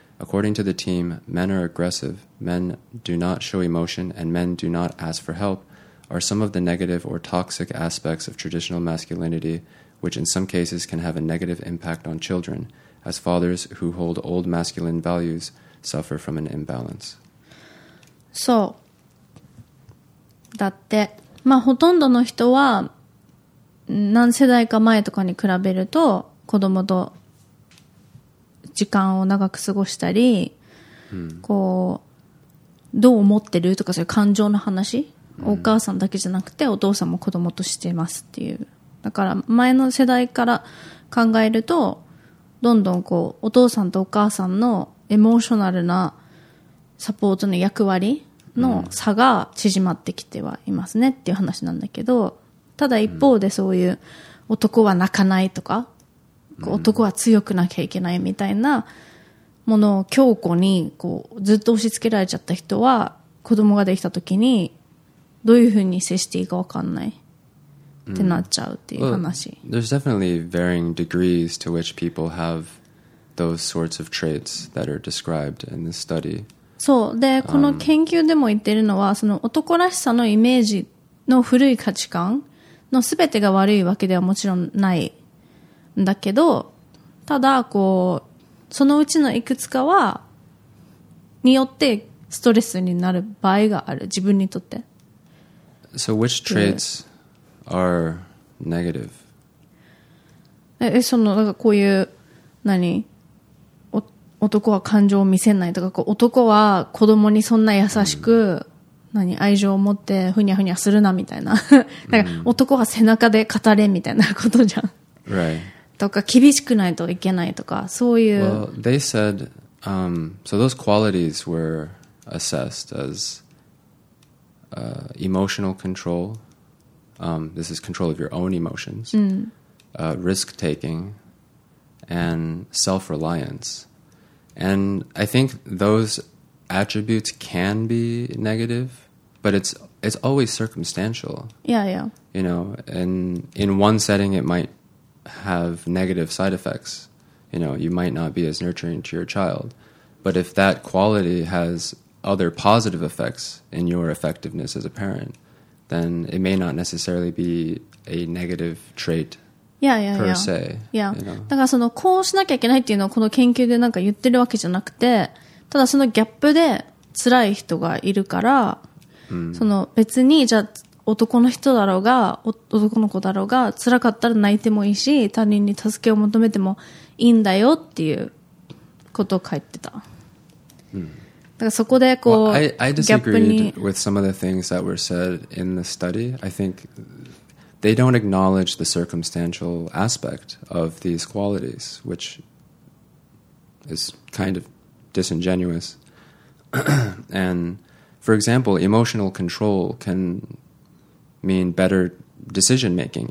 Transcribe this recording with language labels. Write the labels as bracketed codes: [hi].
[en] According to the team, men are aggressive, men do not show emotion, and men do not ask for help, are some of the negative or toxic aspects of traditional masculinity, which in some cases can have a negative impact on children, as fathers who hold old masculine values suffer from an imbalance. [ja] そうだって、まあほとんどの人は何世代か前とかに比べると子供と時間を長く過ごしたり、うん、こうどう思ってるとかそういう感情の話、うん、お母さんだけじゃなくてお父さんも子供としてますっていう、だから前の世代から考えるとどんどんこうお父さんとお母さんのエモーショナルなサポートの役割の差が縮まってきてはいますねっていう話なんだけど、ただ一方でそういう男は泣かないとか、うん、男は強くなきゃいけないみたいなものを強固にこうずっと押し付けられちゃった人は子供ができた時にどういうふうに接していいか分かんないってなっちゃうっていう話。 [en] Well, there's definitely varying degrees to which people have those sorts of traits that are described in this study. [ja] そうで、この研究でも言ってるのは、その男らしさのイメージの古い価値観の全てが悪いわけではもちろんないんだけど、ただこうそのうちのいくつかはによってストレスになる場合がある、自分にとって。 [en] So which traits are negative? [ja] そのなんかこういう何、男は感情を見せないとか、こう男は子供にそんな優しく、うん、何愛情を持ってふにゃふにゃするなみたいな、なんか男は背中で語れみたいなことじゃん。 [en] Right. [ja] とか厳しくないといけないとかそういう。 [en] Well, they said, so those qualities were assessed as emotional control. This is control of your own emotions. Risk taking and self reliance. And I think those attributes can be negative, but it's always circumstantial. Yeah, yeah. You know, and in one setting, it might have negative side effects. You know, you might not be as nurturing to your child. But if that quality has other positive effects in your effectiveness as a parent, then it may not necessarily be a negative trait. Yeah, yeah, yeah. Per se. Yeah. [ja] だからそのこうしなきゃいけないっていうのはこの研究でなんか言ってるわけじゃなくて、ただそのギャップで辛い人がいるから、その別にじゃあ男の人だろうが男の子だろうが辛かったら泣いてもいいし、他人に助けを求めてもいいんだよっていうことを書いてた。だからそこでこうギャップに。 [en] Well, I disagreed with some of the things that were said in the study. I think. They don't acknowledge the circumstantial aspect of these qualities, which is kind of disingenuous. And for example, emotional control can mean better decision making.